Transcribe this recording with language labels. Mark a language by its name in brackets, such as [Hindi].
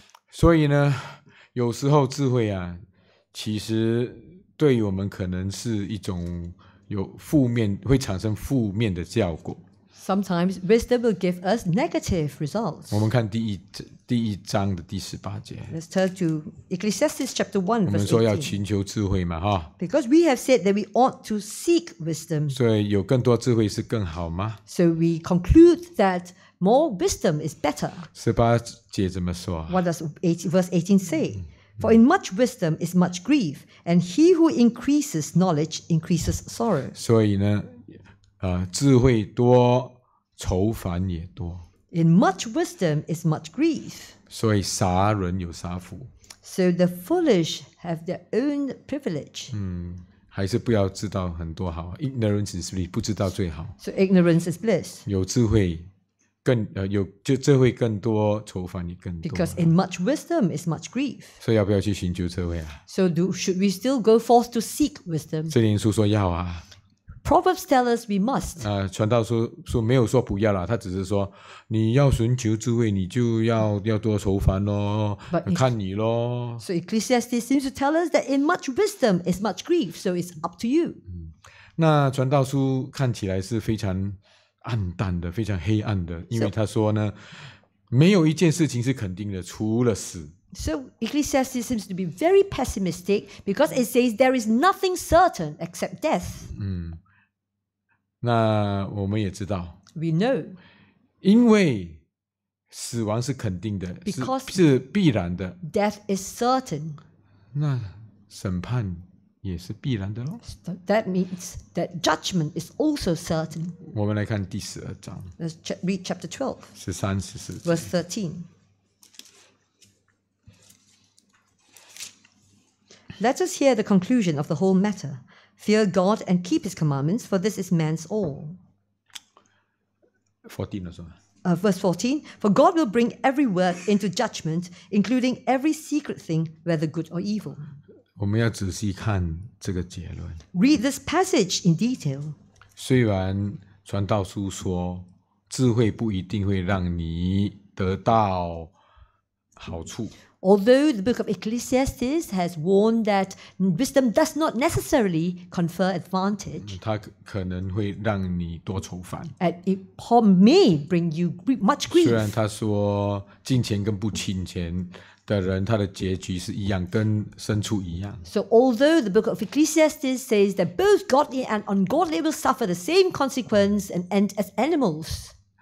[Chinese] 所以呢，有时候智慧啊，其实对于我们可能是一种 有负面会产生负面的效果。 [English] Sometimes wisdom will give us negative results. [Chinese] 我们看第一章的第18节。 [English] Let's turn to Ecclesiastes chapter 1 verse 18. [Chinese] 我们说要寻求智慧嘛, 哈? [English] Because we have said that we ought to seek wisdom. [Chinese] 所以有更多智慧是更好吗? [English] So we conclude that more wisdom is better. [Chinese] 18节怎么说? [English] What does verse 18 say? For in much wisdom is much grief, and he who increases knowledge increases sorrow. [Chinese] 所以呢, 智慧多, 愁烦也多。 [English] In much wisdom is much grief. [Chinese] 所以傻人有傻福。 [English] So the foolish have their own privilege. [Chinese] 还是不要知道很多好, [English] ignorance is bliss, [Chinese] 不知道最好。 [English] So ignorance is bliss. [Chinese] 有智慧。更有智慧更多愁烦也更多 [English] Because in much wisdom is much grief. [Chinese] 所以要不要去寻求智慧啊? [English] So should we still go forth to seek wisdom? [Chinese] 这灵书说要啊。 [English] Proverbs tell us we must. [Chinese] 传道书没有说不要啦, 他只是说, 你要寻求智慧, 你就要多愁烦咯, 看你咯。 [English] So Ecclesiastes seems to tell us that in much wisdom is much grief, so it's up to you. [Chinese] 那传道书看起来是非常 暗淡的, 非常黑暗的, 因为他说呢, 没有一件事情是肯定的, 除了死。 [English] So Ecclesiastes seems to be very pessimistic because it says there is nothing certain except death. [Chinese] 那我们也知道 [English] We know. [Chinese] 因为死亡是肯定的 [English] Because [Chinese] 是必然的 [English] Death is certain. [Chinese] 那审判也是必然的咯 [English] That means that judgment is also certain. [Chinese] 我们来看第十二章 [English] Let's read chapter 12. [Chinese] 十三十四 [English] Verse 13. Let us hear the conclusion of the whole matter. Fear God and keep his commandments, for this is man's all. 14 or so. Verse 14. For God will bring every work into judgment, including every secret thing, whether good or evil. [Chinese] 我们要仔细看这个结论。 [English] Read this passage in detail. [Chinese] 虽然传道书说智慧不一定会让你得到好处。 [English] Although the book of Ecclesiastes has warned that wisdom does not necessarily confer advantage, [Chinese] 它可能会让你多愁烦 [English] It may bring you much grief. [Chinese] 虽然他说金钱跟不金钱的人他的结局是一样跟牲畜一样 [English] So although the book of Ecclesiastes says that both godly and ungodly will suffer the same consequence and end as animals,